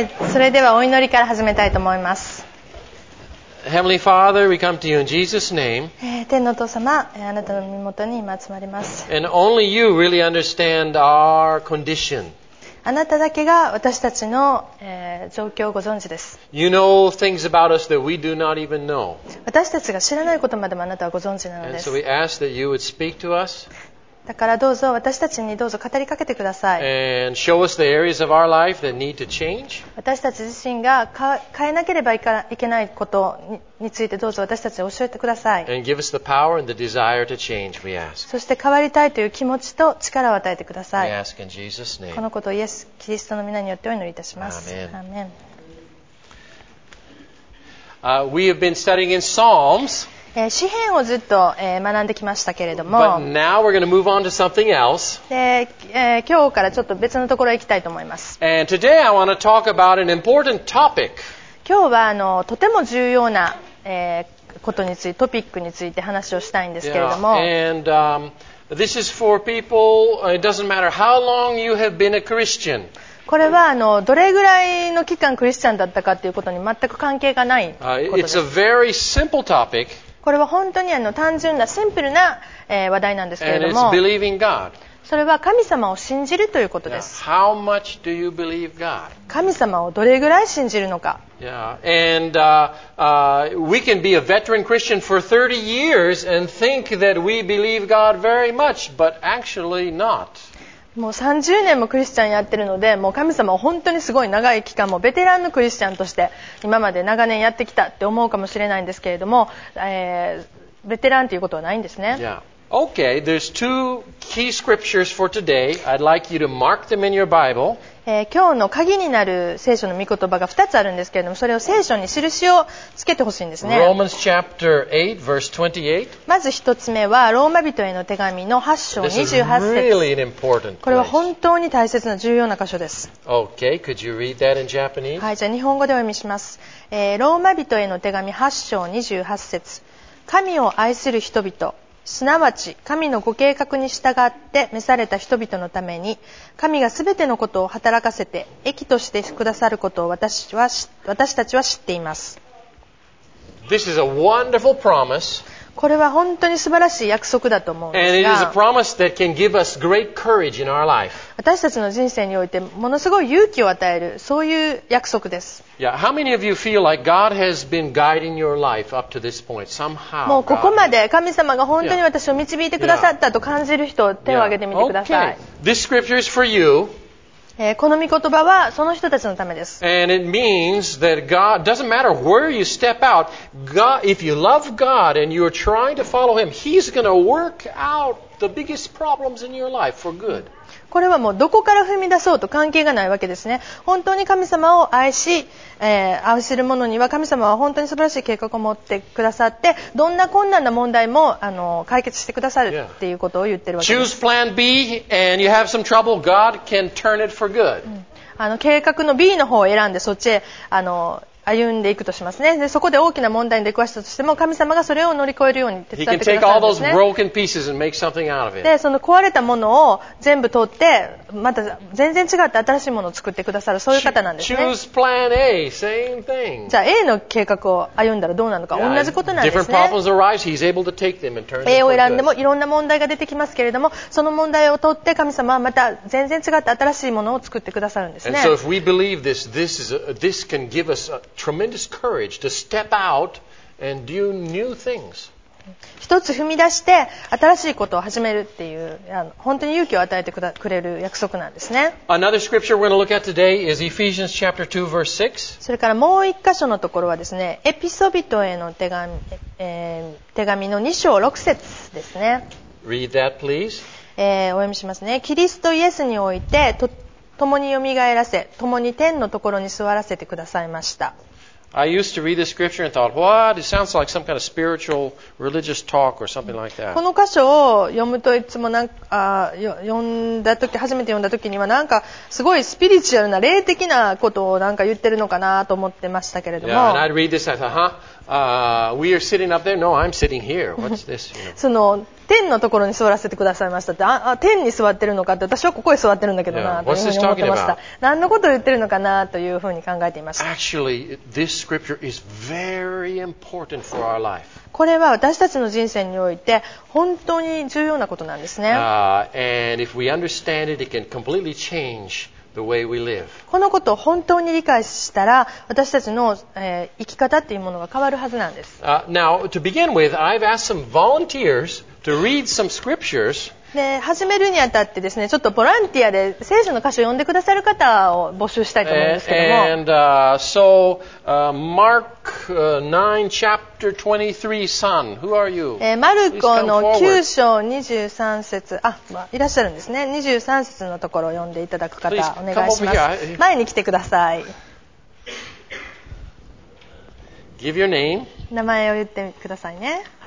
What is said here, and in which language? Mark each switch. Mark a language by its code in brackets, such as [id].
[ja] それではお祈りから始めたいと思います。 [en] Heavenly Father, we come to you in Jesus' name. [ja] 天のお父様、あなたの身元に今集まります。 [en] And only you really understand our condition. [ja] あなただけが私たちの、状況をご存知です。 [en] You know things about us that we do not even know. [ja] 私たちが知らないことまでもあなたはご存知なのです。 [en] And so we ask that you would speak to us. [ja] だからどうぞ私たちにどうぞ語りかけてください。 [en] And show us the areas of our life that need to change. [ja] 私たち自身が変えなければいけないことについてどうぞ私たちに教えてください。 [en] And give us the power and the desire to change, we ask. [ja] そして変わりたいという気持ちと力を与えてください。 [en] We ask in Jesus' name. [ja] このことをイエス・キリストの名によってお祈りいたします。アーメン。 [en] We have been studying in Psalms. [ja] 詩編をずっと学んできましたけれども今日からちょっと別のところへ行きたいと思います今日はとても重要な、ことについてトピックについて話をしたいんですけれども、 yeah. [en] And, this is for people, it doesn't matter how long you have been a Christian. [ja] これはどれぐらいの期間クリスチャンだったかということに全く関係がないことです。 [en] It's a very simple topic. [ja] これは本当に単純なシンプルな話題なんですけれども [en] And it's believing God. [ja] それは神様を信じるということです。 Yeah. [en] How much do you believe God? [ja] 神様をどれぐらい信じるのか。 Yeah. [en] And, we can be a veteran Christian for 30 years and think that we believe God very much, but actually not. [ja] もう30年もクリスチャンやってるのでもう神様は本当にすごい長い期間もベテランのクリスチャンとして今まで長年やってきたって思うかもしれないんですけれども、ベテランということはないんですね、 yeah. [en] Okay, there's two key scriptures for today. I'd like you to mark them in your Bible. [ja] 今日の鍵になる聖書の御言葉が2つあるんですけれどもそれを聖書に印をつけてほしいんですね [en] Romans chapter 8, verse 28. [ja] まず1つ目はローマ人への手紙の8章28節 [en] This is really an important place. [ja] これは本当に大切な重要な箇所です [en] Okay, could you read that in Japanese? [ja] はい、じゃあ日本語でお読みします、ローマ人への手紙8章28節神を愛する人々すなわち神のご計画に従って召された人々のために神がすべてのことを働かせて益としてくださることを私たちは知っています [en] This is a wonderful promise. [ja] これは本当に素晴らしい約束だと思うんですが [en] And it is a promise that can give us great courage in our life. [ja] 私たちの人生においてものすごい勇気を与えるそういう約束です [en] Yeah, how many of you feel like God has been guiding your life up to this point somehow? [ja] もうここまで神様が本当に私を導いてくださったと感じる人、手を挙げてみてください。 Okay. [en] This scripture is for you. [ja] この御言葉はその人たちのためです。 [en] And it means that God doesn't matter where you step out. God, if you love God and you're trying to follow Him, He's going to work out the biggest problems in your life for good. [ja] これはもうどこから踏み出そうと関係がないわけですね。本当に神様を愛し、愛する者には神様は本当に素晴らしい計画を持ってくださって、どんな困難な問題も解決してくださるっていうことを言ってるわけです。 [en] Choose plan B and you have some trouble, God can turn it for good. [ja] 計画の B の方を選んでそっちへ、歩んでいくとしますね。で、そこで大きな問題に出くわしたとしても、神様がそれを乗り越えるように手伝ってくださるんですね。 [en] He can take all those broken pieces and make something out of it. [ja] で、その壊れたものを全部取って、また全然違って新しいものを作ってくださる、そういう方なんですね。 [en] Choose plan A, same thing. [ja] じゃあ A の計画を歩んだらどうなのか、 yeah, 同じことなんですね。 [en] Different problems arise, he's able to take them and turn them [ja] A を選んでもいろんな問題が出てきますけれども、その問題を取って神様はまた全然違って新しいものを作ってくださるんですね。 [en] And so if we believe this, this can give us a... Tremendous courage to step out and do new things. [ja] 一つ踏み出して新しいことを始めるっていう本当に勇気を与えてくれる約束なんですね。 [en] Another scripture we're going to look at today is Ephesians chapter 2 verse 6. [ja] それからもう一箇所のところはですね、エピソ人への手紙、手紙の2章6節ですね。 [en] Read that, please. [ja] お読みしますね。キリストイエスにおいて共に蘇らせ、共に天のところに座らせてくださいました。 [en] I used to read this scripture and thought, what? It sounds like some kind of spiritual religious talk or something like that. [ja] この箇所を読むといつもなんか、読んだ時、初めて読んだ時にはなんかすごいスピリチュアルな霊的なことをなんか言ってるのかなと思ってましたけれども。 [en] Yeah, and I'd read this and I thought, huh? we are sitting up there. No, I'm sitting here. What's this? [ja] その天のところに座らせてくださいましたって、ああ天に座ってるのかって、私はここに座ってるんだけどなというふうに思ってました。何のことを言ってるのかなというふうに考えていました。 [en] Actually, this scripture is very important for our life. [ja] これは私たちの人生において本当に重要なことなんですね。 [en] And if we understand it, it can completely change. The way we live. [ja] このことを本当に理解したら私たちの、生き方っていうものが変わるはずなんです。 [en] Now, to begin with, I've asked some volunteers to read some scriptures. [ja] で、始めるにあたってですね、ちょっとボランティアで聖書の箇所を読んでくださる方を募集したいと思うんですけども。 [en] Mark 9, chapter 23, son, who are you? [ja] マルコの9章23節、あ、いらっしゃるんですね。 23節のところを読んでいただく方、お願いします。前に来てください。 [en] Give your name. [ja] 名前を言ってくださいね。